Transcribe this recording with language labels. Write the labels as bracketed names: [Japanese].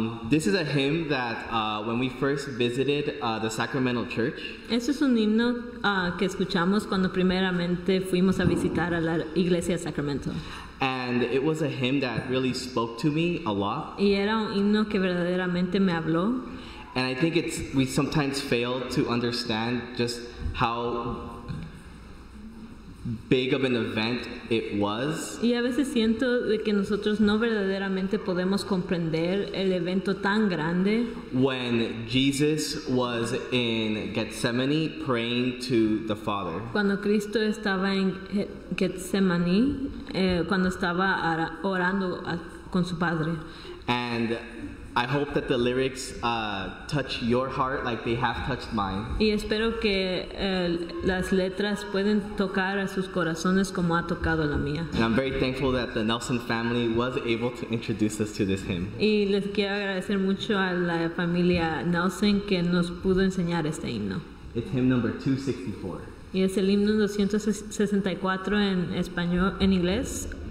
[English] This is a hymn that when we first visited the Sacramento Church. [Spanish] Este es un himno que escuchamos cuando primeramente fuimos a visitar a la iglesia de Sacramento. [English] And it was a hymn that really spoke to me a lot. [Spanish] Y era un himno que verdaderamente me habló. [English] And I think we sometimes fail to understand just how big of an event it was. [Spanish] Y a veces siento de que nosotros no verdaderamente podemos comprender el evento tan grande. [English] When Jesus was in Gethsemane praying to the Father. [Spanish] Cuando Cristo estaba en Getsemaní, cuando estaba orando con su Padre. [English] And I hope that the lyrics touch your heart like they have touched mine. [Spanish] Y espero que las letras pueden tocar a sus corazones como ha tocado la mía. [English] And I'm very thankful that the Nelson family was able to introduce us to this hymn. [Spanish] Y les quiero agradecer mucho a la familia Nelson que nos pudo enseñar este himno. [English] It's hymn number 264. [Spanish] Y es el himno 264 en español, en inglés.